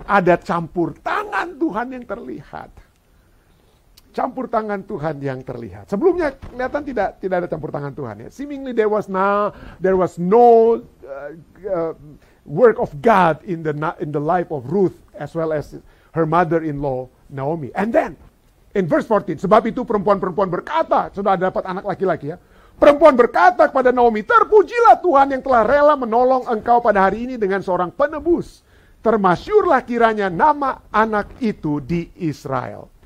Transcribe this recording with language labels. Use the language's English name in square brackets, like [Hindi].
[Indonesian] Ada campur tangan Tuhan yang terlihat. Campur tangan Tuhan yang terlihat. Sebelumnya kelihatan tidak ada campur tangan Tuhan ya. [English] Seemingly there was no work of God in the life of Ruth as well as her mother-in-law Naomi. And then in verse 14, [Indonesian] sebab itu perempuan-perempuan berkata, sudah dapat anak laki-laki ya. Perempuan berkata kepada Naomi, terpujilah Tuhan yang telah rela menolong engkau pada hari ini dengan seorang penebus. Termasyurlah kiranya nama anak itu di Israel.